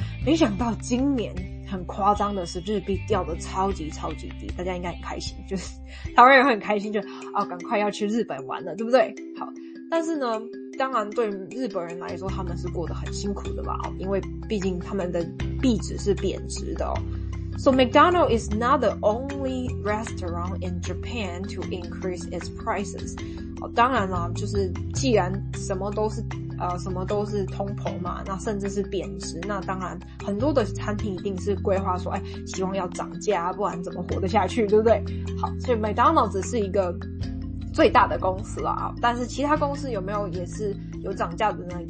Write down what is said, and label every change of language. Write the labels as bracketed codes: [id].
[zh] 没想到今年很夸张的是日币掉得超级超级低，大家应该很开心，就是台湾人很开心，就啊，赶快要去日本玩了，对不对？好，但是呢，当然对日本人来说他们是过得很辛苦的吧，因为毕竟他们的币值是贬值的哦。 [en] So McDonald's is not the only restaurant in Japan to increase its prices. [zh] 当然啦，就是既然什么都是什么都是通膨嘛，那甚至是贬值，那当然很多的餐厅一定是规划说，哎，希望要涨价，不然怎么活得下去，对不对？好，所以麦当劳只是一个最大的公司啦，但是其他公司有没有也是有涨价的呢？